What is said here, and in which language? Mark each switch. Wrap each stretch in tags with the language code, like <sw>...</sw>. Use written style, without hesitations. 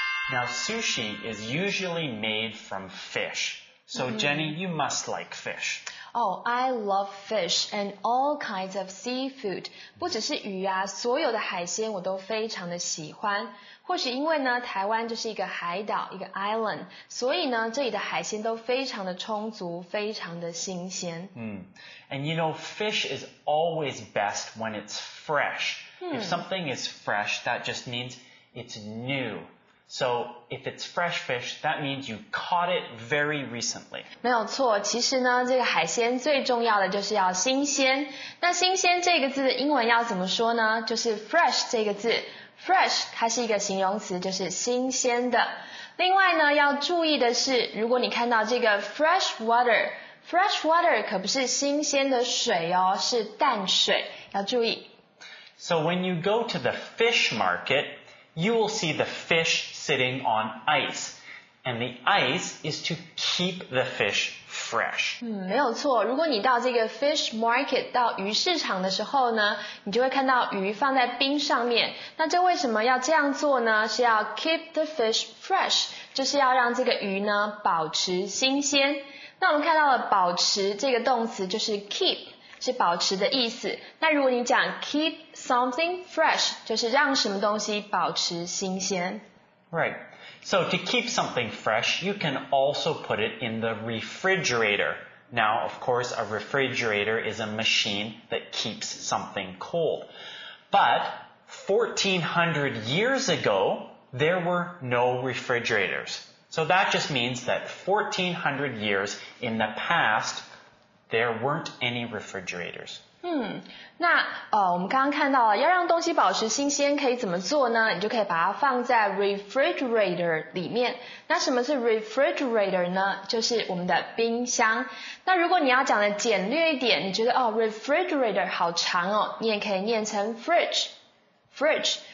<en>Now sushi is usually made from fish. So Jenny, you must like fish. Oh, I love fish and all kinds of seafood.</en> <zh>不只是鱼啊，所有的海鲜我都非常的喜欢。或许因为呢，台湾就是一个海岛，一个 island， 所以呢，这里的海鲜都非常的充足，非常的新鲜。</zh> <en>And you know, fish is always best when it's fresh. If something is fresh, that just means it's new. So, if it's fresh fish, that means you caught it very recently.</en> <zh>没有错，其实呢，这个海鲜最重要的就是要新鲜。那新鲜这个字英文要怎么说呢？就是 fresh 这个字。 Fresh 它是一个形容词，就是新鲜的。另外呢，要注意的是，如果你看到这个 fresh water, fresh water 可不是新鲜的水哦，是淡水，要注意。</zh> <en>So, when you go to the fish market,You will see the fish sitting on ice, and the ice is to keep the fish fresh.</en> <zh>没有错，如果你到这个 fish market, 到鱼市场的时候呢，你就会看到鱼放在冰上面。那这为什么要这样做呢？是要</zh> <en>keep the fish fresh,</en> <zh>就是要让这个鱼呢保持新鲜。那我们看到了保持这个动词就是 keep,是保持的意思。那如果你讲</zh> <en>keep something fresh,</en> <zh>就是让什么东西保持新鲜。</zh> <en>Right. So to keep something fresh, you can also put it in the refrigerator. Now, of course, a refrigerator is a machine that keeps something cold. But 1400 years ago, there were no refrigerators. So that just means that 1400 years in the past,There weren't any refrigerators.</en> <zh>那我们刚刚看到了，要让东西保持新鲜，可以怎么做呢？你就可以把它放在 refrigerator 里面。那什么是 refrigerator 呢？就是我们的冰箱。那如果你要讲的简略一点，你觉得refrigerator 好长哦，你也可以念成 fridge, fridge。</zh>